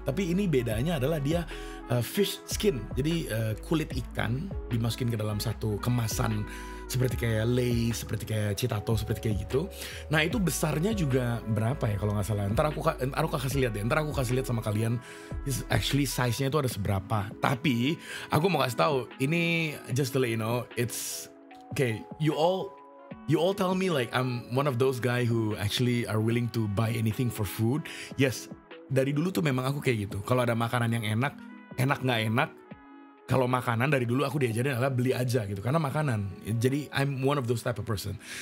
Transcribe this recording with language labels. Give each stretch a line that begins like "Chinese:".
Indonesian: Tapi ini bedanya adalah dia fish skin, jadi kulit ikan dimasukin ke dalam satu kemasan seperti kayak Lay's, seperti kayak Citato, seperti kayak gitu. Nah itu besarnya juga berapa ya kalau nggak salah, ntar aku kasih lihat sama kalian actually size nya itu ada seberapa. Tapi aku mau kasih tahu ini
English: just to let you know, it's okay, you all tell me like I'm one of those guy who actually are willing to buy anything for food.
Indonesian: Yes, dari dulu tuh memang aku kayak gitu. Kalau ada makanan yang enak, enak nggak enak, kalau makanan dari dulu aku diajarin adalah beli aja gitu, karena makanan.
English: Jadi I'm one of those type of person.